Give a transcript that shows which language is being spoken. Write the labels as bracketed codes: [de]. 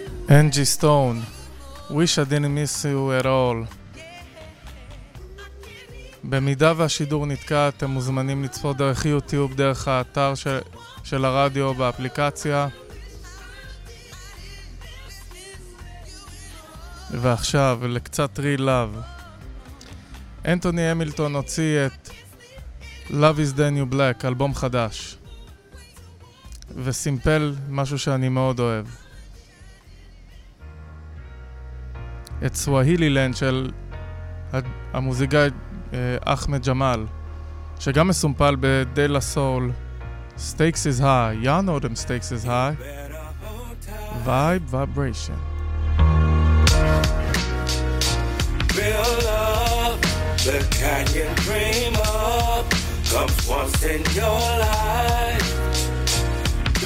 [en] אנג'י סטון, wish I didn't miss you at all. [he] במידה והשידור נתקע, אתם מוזמנים לצפות דרך יוטיוב, דרך האתר של הרדיו באפליקציה. ועכשיו לקצת [en] real love. [he] אנטוני המילטון הוציא את Love is the New Black, אלבום חדש, וסימפל משהו שאני מאוד אוהב, את סווהילי לנד של המוזיקאי אחמד ג'מאל, שגם מסומפל בדלה סול. [en] Stakes is high, y'all know them stakes is high. Vibe vibration. Real love, the kind you dream of, comes once in your life.